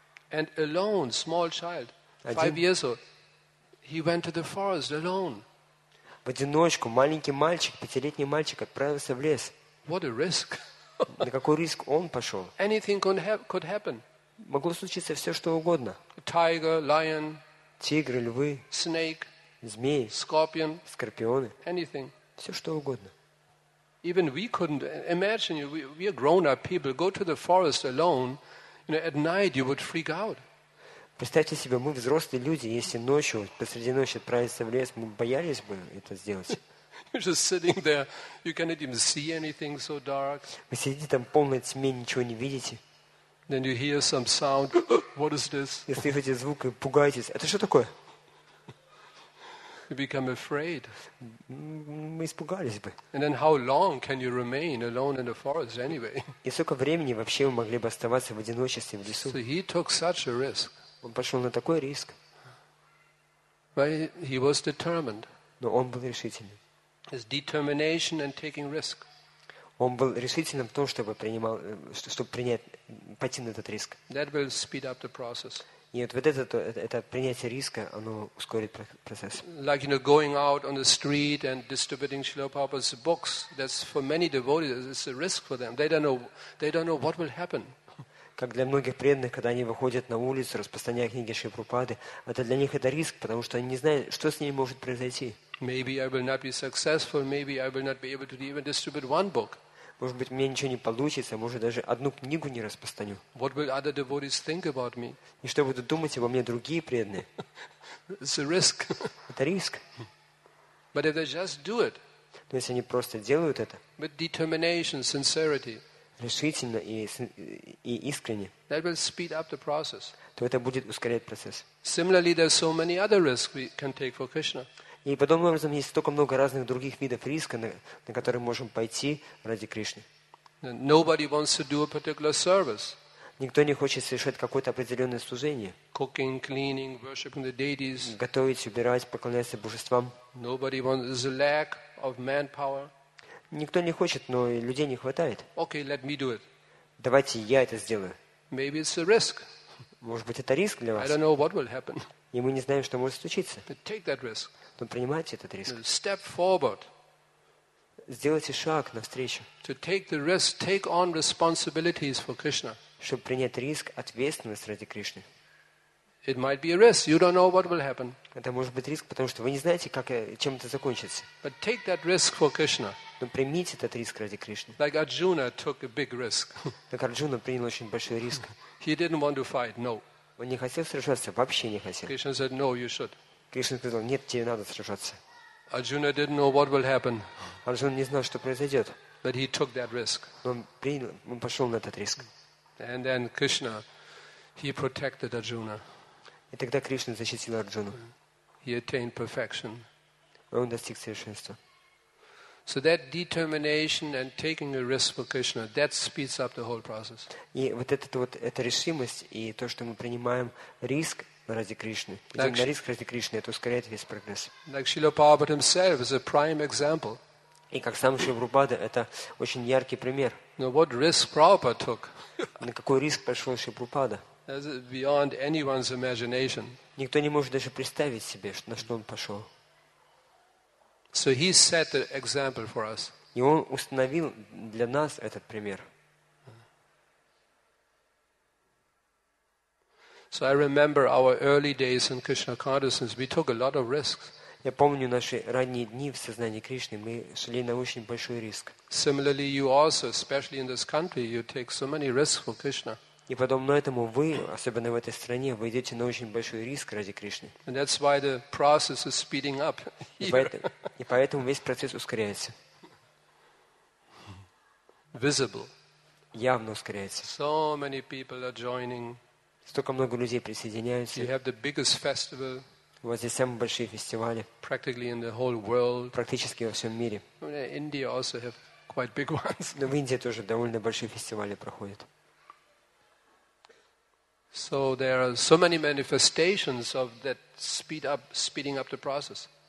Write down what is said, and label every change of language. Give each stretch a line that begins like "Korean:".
English: And alone, small child, 5 years old, he went to the forest alone.
Russian: В одиночку, маленький мальчик, 5-летний мальчик отправился в лес.
English: What a risk.
Russian: На какой риск он пошел?
English: Anything could happen.
Russian: Могло случиться все, что угодно.
English: Tiger, lion.
Russian: Тигры, львы.
English: Snake.
Russian: Змеи.
English: Scorpion.
Russian: Скорпионы.
English: Anything.
Russian: Все, что угодно.
English: Even we couldn't imagine. We are grown-up people. Go to the forest alone. You know, at night you would freak out.
Russian: Представьте себе, мы взрослые люди. Если ночью, посреди ночи отправиться в лес, мы боялись бы это сделать.
English: You're just sitting there. You cannot even see anything so dark.
Russian: Вы сидите там полной тьме, ничего не видите.
English: Then you hear some sound. What is this?
Russian: Если слышите звук, пугаетесь. Это что такое?
English: You become afraid.
Russian: Мы испугались бы.
English: And then how long can you remain alone in the forest anyway?
Russian: И сколько времени вообще вы могли бы оставаться в одиночестве в лесу?
English: So he took such a risk.
Russian: Он пошел на такой риск.
English: But he was determined.
Russian: Но он был решительным.
English: His determination and taking risk.
Russian: Он был решительным в том, чтобы пойти на этот риск.
English: That will speed up the process.
Russian: И вот это принятие риска, оно ускорит процесс.
English: Like, you know, going out on the street and distributing Srila Prabhupada's books, that's for many devotees, it's a risk for them. They don't know what will happen.
Russian: Как для многих преданных, когда они выходят на улицу, распространяя книги Шри Прабхупады, это для них это риск, потому что они не знают, что с ними может произойти.
English: Maybe I will not be successful, maybe I will not be able to even distribute one book.
Russian: Может быть, у меня ничего не получится, может, даже одну книгу не распространю.
English: What will other devotees think about me?
Russian: И что будут думать обо мне другие преданные?
English: It's a risk.
Russian: Это риск.
English: But if they just do it,
Russian: но если они просто делают это,
English: with determination, sincerity,
Russian: решительно и искренне,
English: that will speed up the process.
Russian: То это будет ускорять процесс.
English: Similarly, there are so many other risks we can take for Krishna.
Russian: И подобным образом есть столько много разных других видов риска, на которые можем пойти ради Кришны.
English: Nobody wants to do a particular service.
Russian: Никто не хочет совершать какое-то определенное служение.
English: Cooking, cleaning, worshiping the deities.
Russian: Готовить, убирать, поклоняться божествам.
English: Nobody wants a lack of manpower.
Russian: Никто не хочет, но и людей не хватает.
English: Okay, let me do it.
Russian: Давайте я это сделаю.
English: Maybe it's a risk.
Russian: Может быть, это риск для вас.
English: I don't know what will happen.
Russian: И мы не знаем, что может случиться.
English: But take that risk.
Russian: Но принимайте этот риск.
English: Step forward.
Russian: Сделайте шаг навстречу.
English: To take the risk, take on responsibilities for Krishna.
Russian: Чтобы принять риск, ответственность ради Кришны.
English: It might be a risk. You don't know what will happen.
Russian: Это может быть риск, потому что вы не знаете, как, чем это закончится.
English: But take that risk for Krishna.
Russian: Но примите этот риск ради Кришны.
English: Like Arjuna took a big risk.
Russian: Так Арджуна принял очень большой риск.
English: He didn't want to fight. No.
Russian: Он не хотел сражаться, вообще не хотел.
English: Krishna said, "No, you should."
Russian: Кришна сказал, нет, тебе надо сражаться.
English: Arjuna didn't know what will happen.
Russian: Арджуна не знал, что произойдет.
English: But he took that risk.
Russian: Он пошел на этот риск.
English: And then Krishna, he protected Arjuna.
Russian: И тогда Кришна защитил Арджуну.
English: He attained perfection.
Russian: и он достиг совершенства.
English: So that determination and taking a risk for Krishna, that speeds up the whole process.
Russian: И вот эта решимость и то, что мы принимаем риск ради Кришны, идем на риск ради Кришны, это ускоряет весь прогресс.
English: Like Srila Prabhupada himself is a prime example.
Russian: И как сам Шрила Прабхупада, это очень яркий пример.
English: Now what risk Prabhupada took?
Russian: На какой риск пошел Шрила Прабхупада?
English: That's beyond anyone's imagination.
Russian: Никто не может даже представить себе, на что он пошел.
English: So he set the example for us.
Russian: И он установил для нас этот пример.
English: So I remember our early days in Krishna consciousness. We took a lot of risks.
Russian: Я помню наши ранние дни в сознании Кришны. Мы шли на очень большой риск.
English: Similarly, you also, especially in this country, you take so many risks for Krishna.
Russian: И подобно этому вы, особенно в этой стране, вы идете на очень большой риск ради Кришны.
English: And that's why the process is speeding up here.
Russian: И поэтому весь процесс ускоряется.
English: Visible.
Russian: Явно ускоряется.
English: So many people are joining.
Russian: Столько много людей присоединяются.
English: You have the biggest festival.
Russian: У вас здесь самые большие фестивали.
English: Practically in the whole world.
Russian: Практически во всем мире.
English: India also have quite big ones.
Russian: Но в Индии тоже довольно большие фестивали проходят.
English: So there are so many manifestations of that speeding up the process.